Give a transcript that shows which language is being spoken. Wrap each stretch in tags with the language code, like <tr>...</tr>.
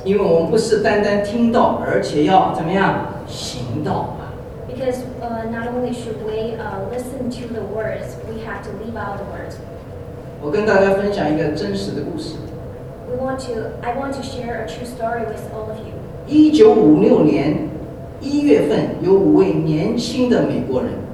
<zh>因为我们不是单单听到，而且要怎么样行道嘛</zh> <en>？Because not only should we listen to the words, we have to live out the words.</en> <zh>我跟大家分享一个真实的故事。</zh> <en>I want to share a true story with all of you.</en> <zh>1956年一月份，有五位年轻的美国人。</zh>